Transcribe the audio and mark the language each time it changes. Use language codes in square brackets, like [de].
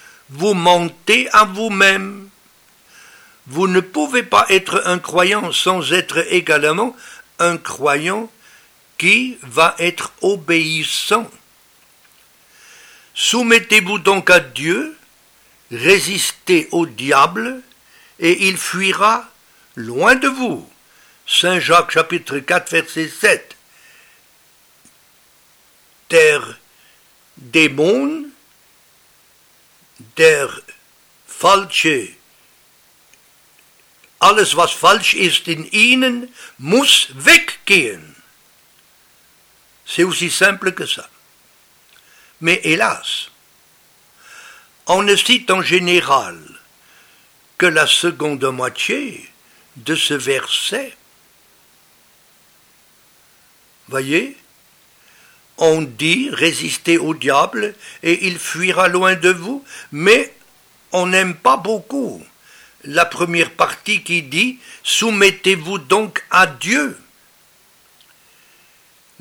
[fr] Vous mentez à vous-même. Vous ne pouvez pas être un croyant sans être également un croyant qui va être obéissant. Soumettez-vous donc à Dieu, résistez au diable et il fuira loin de vous. Saint Jacques chapitre 4 verset 7. [de] Der Dämon, der falsche, alles was falsch ist in ihnen, muss weggehen. [fr] C'est aussi simple que ça. Mais hélas, on ne cite en général que la seconde moitié de ce verset. Voyez, on dit « résistez au diable et il fuira loin de vous », mais on n'aime pas beaucoup la première partie qui dit « soumettez-vous donc à Dieu ».